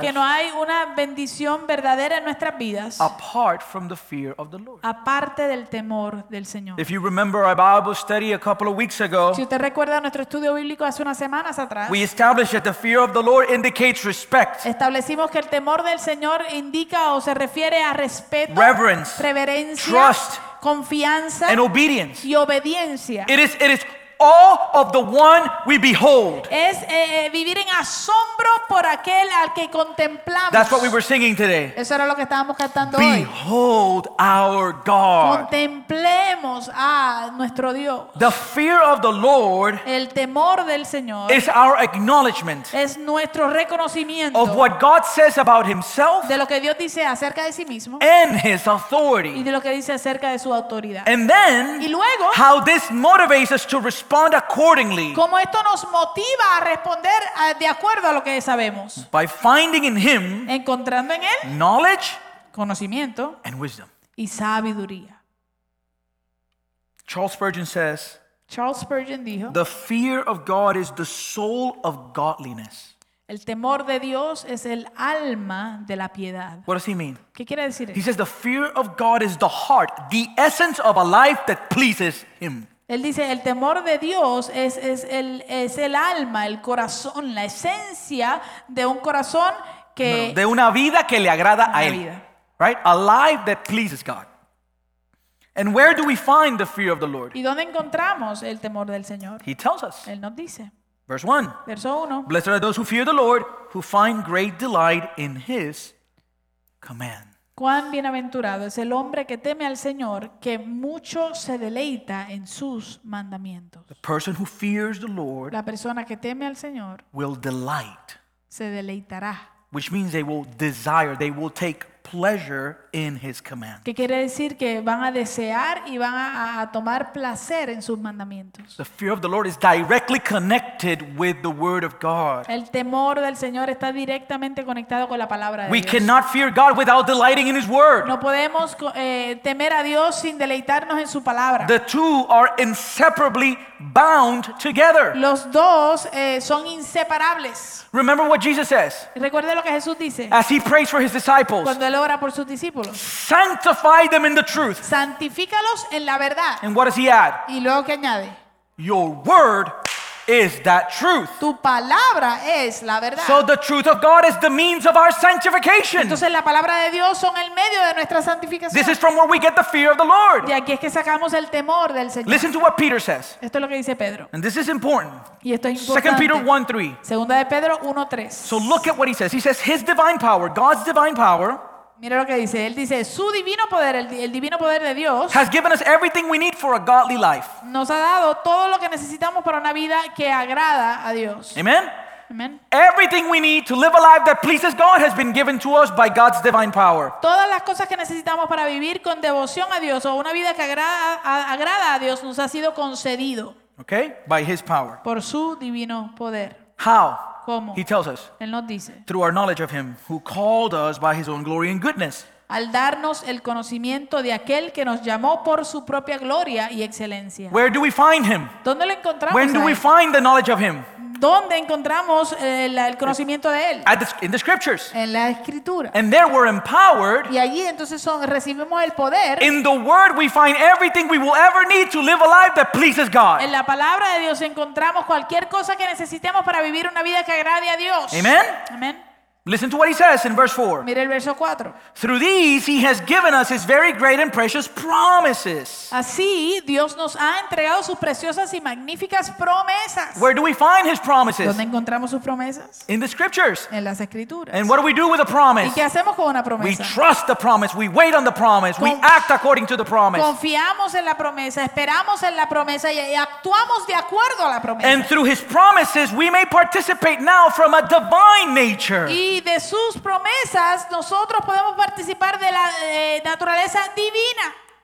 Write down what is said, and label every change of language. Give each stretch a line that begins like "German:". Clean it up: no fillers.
Spanish: que no hay una bendición verdadera en nuestras vidas
English: apart from the fear of the Lord.
Spanish: Aparte del temor del Señor.
English: If you remember our Bible study a couple of weeks ago,
Spanish: si usted recuerda nuestro estudio bíblico hace unas semanas atrás,
English: we established that the fear of the Lord indicates respect.
Spanish: Establecimos que el temor del Señor indica o se refiere a respeto,
English: reverence,
Spanish: reverencia,
English: trust,
Spanish: confianza,
English: and obedience.
Spanish: Y obediencia.
English: It is all of the one we behold.
Spanish: Es vivir en asombro por aquel al que contemplamos.
English: That's what we were singing today.
Spanish: Eso era lo que estábamos cantando
English: behold Behold our God.
Spanish: Contemplemos a nuestro Dios.
English: The fear of the Lord.
Spanish: El temor del Señor.
English: Is our acknowledgement.
Spanish: Es nuestro reconocimiento.
English: Of what God says about Himself.
Spanish: De lo que Dios dice acerca de sí mismo.
English: And His authority.
Spanish: Y de lo que dice acerca de su autoridad.
English: And then.
Spanish: Y luego.
English: How this motivates us to respond accordingly.
Spanish: Como esto nos motiva a responder de acuerdo a lo que sabemos.
English: By finding in Him,
Spanish: encontrando en él,
English: knowledge,
Spanish: conocimiento,
English: and wisdom,
Spanish: y sabiduría.
English: Charles Spurgeon says.
Spanish: Charles Spurgeon dijo.
English: The fear of God is the soul of godliness.
Spanish: El temor de Dios es el alma de la piedad.
English: What does he mean?
Spanish: ¿Qué quiere decir?
English: He says the fear of God is the heart, the essence of a life that pleases Him.
Spanish: Él dice, el temor de Dios es el alma, el corazón, la esencia de un corazón que... No, de una vida que le agrada a Él. Vida.
English: Right? A life that pleases God. And where do we find the fear of the Lord?
Spanish: ¿Y dónde encontramos el temor del Señor?
English: He tells us.
Spanish: Él nos dice.
English: Verse 1.
Spanish: Verso 1.
English: Blessed are those who fear the Lord, who find great delight in His command.
Spanish: Cuán bienaventurado es el hombre que teme al Señor, que mucho se deleita en sus mandamientos.
English: The person who fears the Lord,
Spanish: la persona que teme al Señor,
English: will delight,
Spanish: se deleitará.
English: Which means they will desire, they will take pleasure in His commands.
Spanish: ¿Qué quiere decir? Que van a desear y van a tomar placer en sus mandamientos.
English: The fear of the Lord is directly connected with the Word of God.
Spanish: El temor del Señor está directamente conectado con la palabra de
English: We cannot fear God without delighting in His Word.
Spanish: No podemos temer a Dios sin deleitarnos en su palabra.
English: The two are inseparably bound together.
Spanish: Los dos son inseparables.
English: Remember what Jesus says.
Spanish: Recuerde lo que Jesús dice.
English: As He prays for His disciples.
Spanish: Cuando Él ora por sus discípulos.
English: Sanctify them in the truth.
Spanish: Santifícalos en la verdad.
English: And what does He add?
Spanish: ¿Y luego qué añade?
English: Your word is that truth.
Spanish: Tu palabra es la verdad.
English: So the truth of God is the means of our sanctification.
Spanish: Entonces la palabra de Dios son el medio de nuestra santificación.
English: This is from where we get the fear of the Lord.
Spanish: De aquí es que sacamos el temor del Señor.
English: Listen to what Peter says.
Spanish: Esto es lo que dice Pedro.
English: And this is important.
Spanish: Y esto es importante.
English: 2 Peter 1:3.
Spanish: Segunda de Pedro 1:3.
English: So look at what he says. He says His divine power, God's divine power.
Spanish: Mira lo que dice. Él dice su divino poder, el divino poder de Dios.
English: Has given us everything we need for a godly life.
Spanish: Nos ha dado todo lo que necesitamos para una vida que agrada a Dios.
English: Amen.
Spanish: Amen.
English: Everything we need to live a life that pleases God has been given to us by God's divine power.
Spanish: Todas las cosas que necesitamos para vivir con devoción a Dios o una vida que agrada a Dios nos ha sido concedido.
English: Okay, by His power.
Spanish: Por su divino poder.
English: How?
Spanish: ¿Cómo?
English: He tells us.
Spanish: Él nos dice.
English: Through our knowledge of Him who called us by His own glory and goodness.
Spanish: Al darnos el conocimiento de aquel que nos llamó por su propia gloria y excelencia.
English: Where do we find Him?
Spanish: ¿Dónde lo encontramos?
English: When do we find the knowledge of Him?
Spanish: ¿Dónde encontramos el conocimiento de él?
English: In the scriptures.
Spanish: En la escritura.
English: And there we're empowered.
Spanish: Y allí entonces recibimos el poder.
English: In the word we find everything we will ever need to live a life that pleases God.
Spanish: En la palabra de Dios encontramos cualquier cosa que necesitemos para vivir una vida que agrade a Dios.
English: Amen.
Spanish: Amen.
English: Listen to what he says in verse 4.
Spanish: Mira el verso 4.
English: Through these he has given us his very great and precious promises.
Spanish: Así Dios nos ha entregado sus preciosas y magníficas promesas.
English: Where do we find his promises?
Spanish: ¿Dónde encontramos sus promesas?
English: In the scriptures.
Spanish: En las escrituras.
English: And what do we do with a promise?
Spanish: ¿Y qué hacemos con una promesa?
English: We trust the promise, we wait on the promise, we act according to the promise.
Spanish: Confiamos en la promesa, esperamos en la promesa y actuamos de acuerdo a la promesa.
English: And through his promises we may participate now from a divine nature.
Spanish: Y de sus promesas nosotros podemos participar de la naturaleza divina.